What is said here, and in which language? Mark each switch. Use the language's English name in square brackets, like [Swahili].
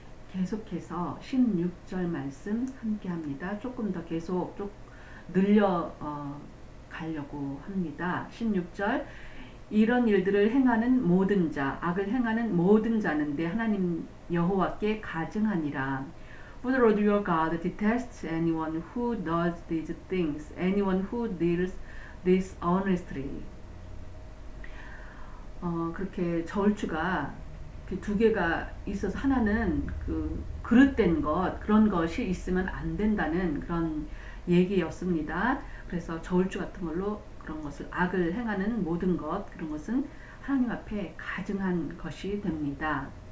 [Korean] 계속해서 16절 말씀 함께 합니다. 조금 더 계속 늘려 가려고 합니다. 16절 이런 일들을 행하는 모든 자, 악을 행하는 모든 자는 내 하나님 여호와께 가증하니라. [English] For the Lord your God detests anyone who does these things, anyone who deals dishonestly. [Korean] 그렇게 저울추가 그두 개가 있어서 하나는 그 그릇된 것, 그런 것이 있으면 안 된다는 그런 얘기였습니다. 그래서 저울추 같은 걸로 그런 것을, 악을 행하는 모든 것, 그런 것은 하나님 앞에 가증한 것이 됩니다.